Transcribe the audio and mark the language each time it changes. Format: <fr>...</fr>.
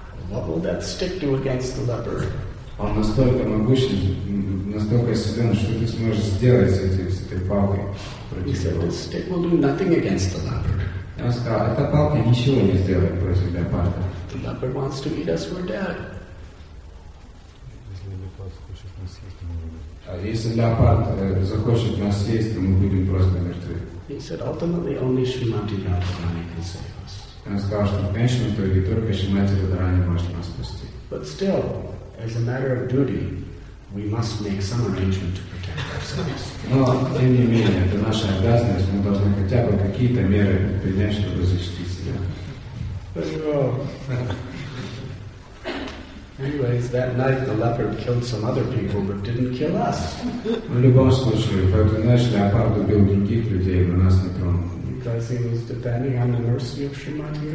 <en>What will that stick do against the leopard?</en> <ru>Он настолько могущественен, настолько силен, что ты сможешь сделать с этой палкой против</ru> <en>He said,</en> <ru>его.</ru> <en>This stick will do nothing against the leopard.</en> <ru>Я сказал, эта палка ничего не сделает против леопарда.</ru> <en>The leopard wants to eat us, we're dead.</en> <ru>Если леопард хочет нас съесть, мы будем. А если леопард захочет нас съесть, то мы будем просто мертвы.</ru> <en>He said, ultimately, only Srimati Radharani can save us.</en> <ru>Он сказал, что в конечном итоге только Шримати Радхарани может нас спасти.</ru> <en>But still, as a matter of duty, we must make some arrangement to protect ourselves.</en> <ru>Но, тем не менее, это наша обязанность, мы должны хотя бы какие-то меры принять, чтобы защитить себя.</ru> <en>Anyways, that night the leopard killed some other people, but didn't kill us.</en> <ru>В любом случае, в эту ночь леопард убил других людей, но нас не тронул.</ru> <en>Because he was depending on the mercy of Srimati</en>